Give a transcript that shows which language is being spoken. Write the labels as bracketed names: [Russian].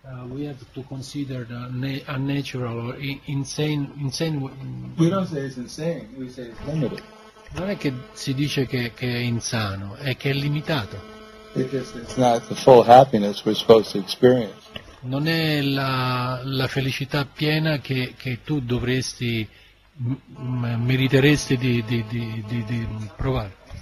[English] We have to consider the unnatural or insane. We don't say it's insane, we say it's limited. [Italian] Non è che si dice che è insano, è che è limitato. [English] It's not the full happiness we're supposed to experience. [Italian] Non è la felicità piena che tu dovresti, meriteresti di provare.